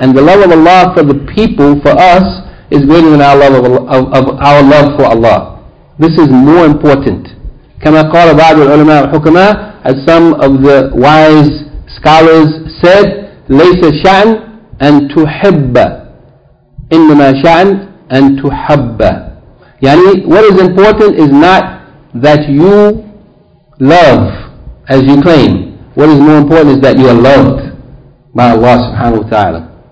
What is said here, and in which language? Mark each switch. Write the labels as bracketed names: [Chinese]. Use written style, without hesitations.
[English] And the love of Allah for the people, for us, is greater than our love of our love for Allah. This is more important. [Arabic] كَمَا قَالَ بَعْضُ الْعُلَمَاءِ الْحُكَمَاءِ, [English] as some of the wise scholars said, [Arabic] لَيْسَ شَعْنْ أَن تُحِبَّ إِنَّمَا شَعْنْ أَن تُحَبَّ. [English] Yani, what is important is not that you love, as you claim. What is more important is that you are loved by Allah subhanahu wa ta'ala.